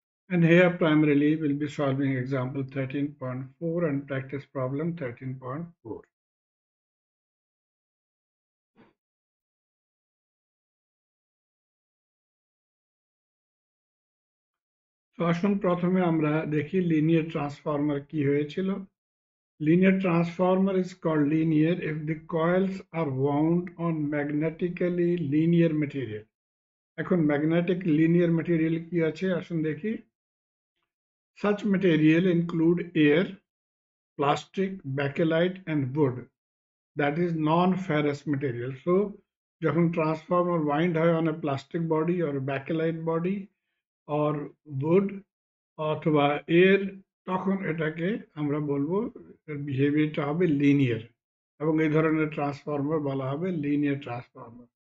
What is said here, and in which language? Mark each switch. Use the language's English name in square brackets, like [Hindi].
[English] And here primarily will be solving example 13.4 and practice problem 13.4। [Bangla] তো আসুন প্রথমে আমরা দেখি লিনিয়ার ট্রান্সফর্মার কি হয়েছিল। [English] Linear transformer is called linear if the coils are wound on magnetically linear material. [Bangla] এখন magnetic linear material কি আছে আসুন দেখি। [English] Such material include air, plastic, bakelite and wood. That is non-ferrous material. [Bangla] So, যখন transformer wound হয় [English] on a plastic body or a bakelite body or wood [Bangla] অথবা air, তখন এটাকে আমরা বলবো বিহেভিয়ারটা হবে লিনিয়ার, এবং এই ধরনের ট্রান্সফর্মার বলা হবে লিনিয়ার ট্রান্সফর্মার।